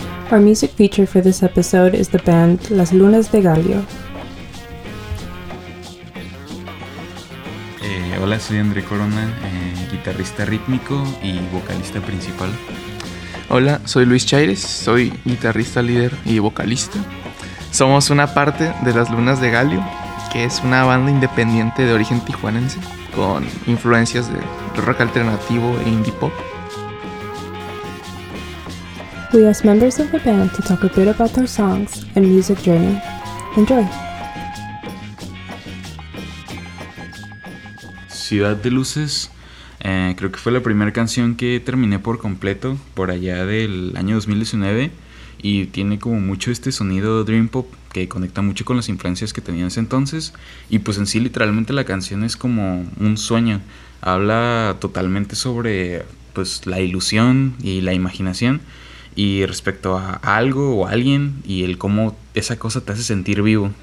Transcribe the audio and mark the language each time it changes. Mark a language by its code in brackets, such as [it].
[en] Our music feature for this episode is the band Las Lunas De Galio. [es] Hola, soy André Corona, guitarrista rítmico y vocalista principal. Hola, soy Luis Chaires, soy guitarrista líder y vocalista. Somos una parte de Las Lunas De Galio, que es una banda independiente de origen tijuanense, con influencias de rock alternativo e indie pop. [en] We asked members of the band to talk a bit about their songs and music journey. Enjoy! [es] Ciudad de Luces, creo que fue la primera canción que terminé por completo por allá del año 2019 y tiene como mucho este sonido dream pop que conecta mucho con las influencias que tenía en ese entonces, y pues en sí literalmente la canción es como un sueño, habla totalmente sobre pues la ilusión y la imaginación y respecto a algo o a alguien y el cómo esa cosa te hace sentir vivo.